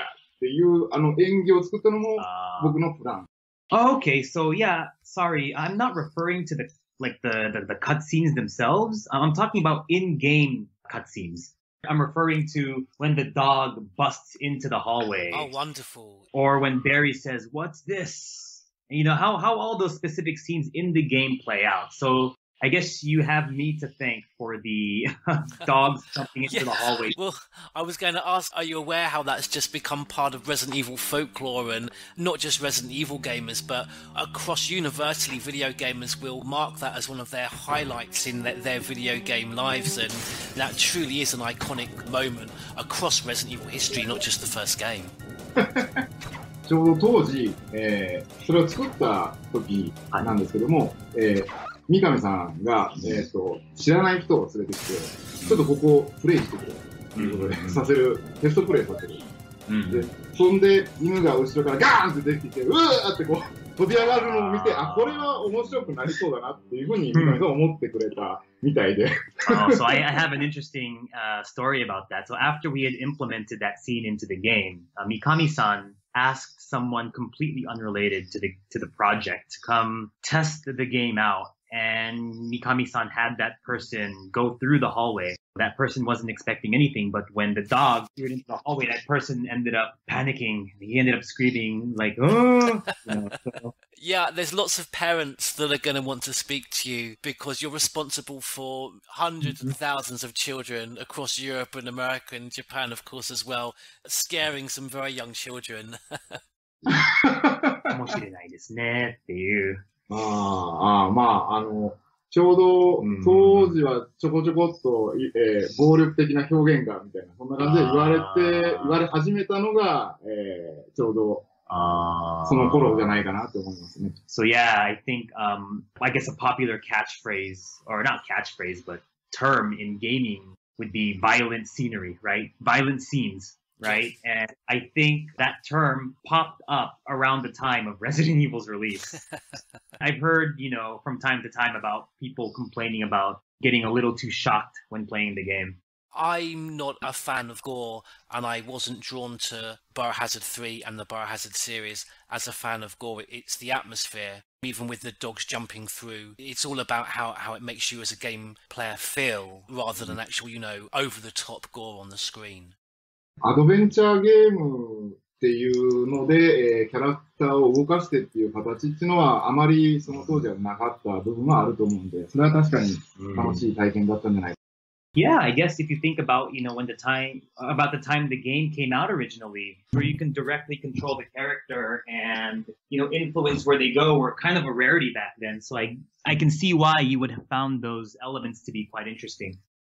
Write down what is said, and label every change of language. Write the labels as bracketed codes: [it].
[ja] っていうあの演技を作ったのも僕のプラン。 [en] Okay, so yeah, sorry, I'm not referring to the cutscenes themselves. I'm talking about in-game cutscenes. I'm referring to when the dog busts into the hallway. Oh, wonderful. Or when Barry says, what's this? And, you know, how all those specific scenes in the game play out. So I guess you have me to thank for the dog jumping into the hallway. Well, I was going to ask, are you aware how that's just become part of Resident Evil folklore and not just Resident Evil gamers, but across universally, video gamers will mark that as one of their highlights in their video game lives. And that truly is an iconic moment across Resident Evil history, not just the first game. [ja] ちょうど当時、それを作った時なんですけども、三上さんが、知らない人を連れてきて、ちょっとここをプレイしてくれということで、うん、させる、テストプレイさせる、うん、でそんで犬が後ろからガーンって出てきて、うわーってこう飛び上がるのを見て、あ、これは面白くなりそうだなっていうふうに三上さんが思ってくれたみたいで。 [en] So I have an interesting、story about that. So after we had implemented that scene into the game, Mikami-san asked someone completely unrelated to the project to come test the game out. And Mikami-san had that person go through the hallway. That person wasn't expecting anything, but when the dog peered into the hallway, that person ended up panicking. He ended up screaming like, oh! You know, so. Yeah, there's lots of parents that are going to want to speak to you because you're responsible for hundreds and thousands of children across Europe and America and Japan, of course, as well, scaring some very young children. [ja] かもしれないですねっていう。ああまあ、あの、ちょうど当時はちょこちょこっと、暴力的な表現がみたいな、そんな感じで言われ始めたのが、ちょうどその頃じゃないかなと思いますね。 [en] So yeah, I think, I guess a popular catchphrase, or not catchphrase, but term in gaming would be violent scenery, right? Violent scenes. Right, and I think that term popped up around the time of Resident Evil's release. I've heard, you know, from time to time about people complaining about getting a little too shocked when playing the game. I'm not a fan of gore, and I wasn't drawn to Biohazard 3 and the Biohazard series as a fan of gore. It's the atmosphere, even with the dogs jumping through. It's all about how it makes you as a game player feel, rather than actual, you know, over-the-top gore on the screen. [ja] アドベンチャーゲームっていうので、キャラクターを動かしてっていう形っていうのはあまりその当時はなかった部分もあると思うんで、それは確かに楽しい体験だったんじゃないか。 [en] Yeah, I guess if you think about, you know, when the time, about the time the game came out originally, where you can directly control the character and, you know, influence where they go were kind of a rarity back then. So I can see why you would have found those elements to be quite interesting.